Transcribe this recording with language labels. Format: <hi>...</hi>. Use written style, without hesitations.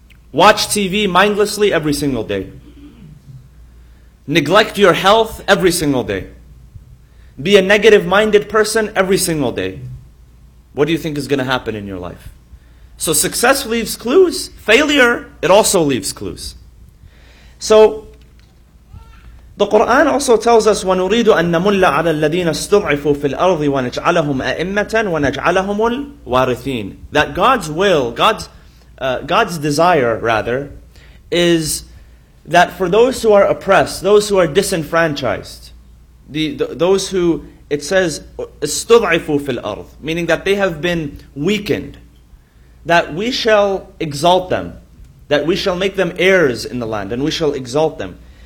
<en>Watch TV mindlessly every single day. Neglect your health every single day. Be a negative-minded person every single day. What do you think is going to happen in your life? So success leaves clues. Failure, it also leaves clues.</en> <ar>So the Quran also tells us, وَنُرِيدُ أَن نَمُلَّ عَلَى الَّذِينَ اسْتُضْعِفُوا فِي الْأَرْضِ وَنَجْعَلَهُمْ أَئِمَّةً وَنَجْعَلَهُمُ الْوَارِثِينَ.</ar> <en>That God's will, God's desire, rather, is that for those who are oppressed, those who are disenfranchised, those who, it says,</en> <ar>استضعفوا في الأرض,</ar> <en>meaning that they have been weakened, that we shall exalt them, that we shall make them heirs in the land, and we shall exalt them.</en>